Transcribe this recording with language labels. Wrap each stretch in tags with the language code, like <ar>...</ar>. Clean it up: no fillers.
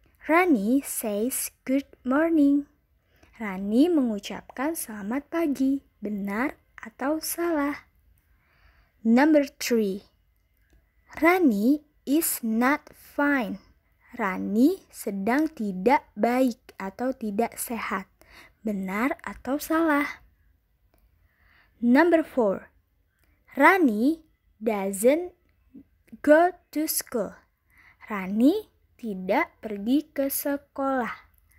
<en>Rani says good morning.</en> <id>Rani mengucapkan selamat pagi. Benar atau salah?</id> <en>Number 3. Rani is not fine.</en> <id>Rani sedang tidak baik atau tidak sehat. Benar atau salah?</id> <en>Number 4. Rani doesn't go to school.</en> <id>Rani tidak pergi ke sekolah.</id>